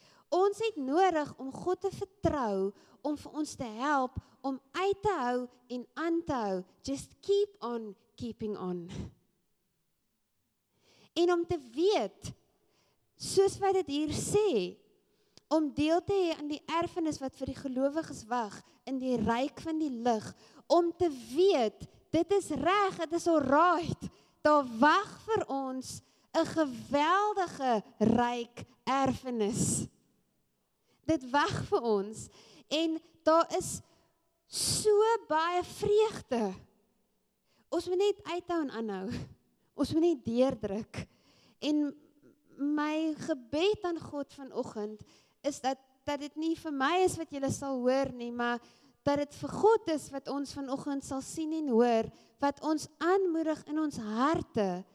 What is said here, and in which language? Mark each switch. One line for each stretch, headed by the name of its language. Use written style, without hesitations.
Afrikaans: Ons het nodig om God te vertrou om vir ons te help om uit te hou en aan te hou.
English: Just keep on keeping on.
Afrikaans: En om te weet, soos wat dit hier sê, om deel te hê aan die erfenis wat vir die gelowiges wag, in die ryk van die lig, om te weet, dit is reg, dit is alright, daar wag vir ons 'n geweldige ryk erfenis. Dit wag vir ons, en daar is so baie vreugde. Ons moet net uithou en aanhou. Ons moet nie deurdruk. En my gebed aan God vanoggend is dat dit nie vir my is wat julle sal hoor nie, maar dat dit vir God is wat ons vanoggend sal sien en hoor, wat ons aanmoedig in ons harte